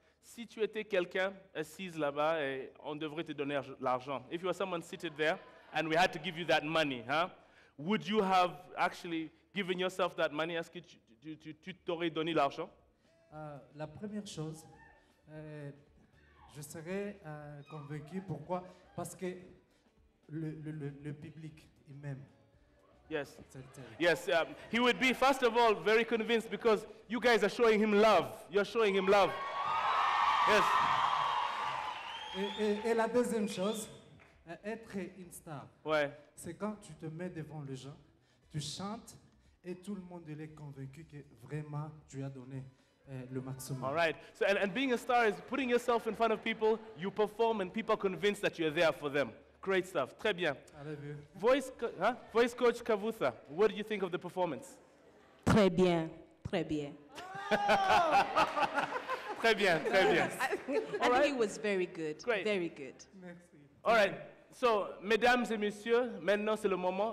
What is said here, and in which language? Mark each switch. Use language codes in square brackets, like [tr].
[fr] Si tu étais quelqu'un assise là-bas, et on devrait te donner l'argent. [en] If you were someone seated there and we had to give you that money, huh? Would you have actually given yourself that money? [fr] Est-ce que tu t'aurais donné l'argent? La première chose, je serais convaincu. Pourquoi? Parce que le public, il m'aime. [en] Yes. Yes. He would be, first of all, very convinced because you guys are showing him love. You're showing him love. Yes. [fr] Et la deuxième chose, être une star. Ouais. C'est quand tu te mets devant les gens, tu chantes et tout le monde est convaincu que vraiment tu as donné le maximum. [en] All right. So and being a star is putting yourself in front of people, you perform and people are convinced that you are there for them. Great stuff. [fr] Très bien. [en] Voice coach Kavutha, what do you think of the performance? [fr] Très bien. Très bien. Très bien. Très bien. [en] All right. I think it was very good. Great. Very good. [fr] Merci. [en] All right. [fr] So, mesdames et messieurs, maintenant c'est le moment.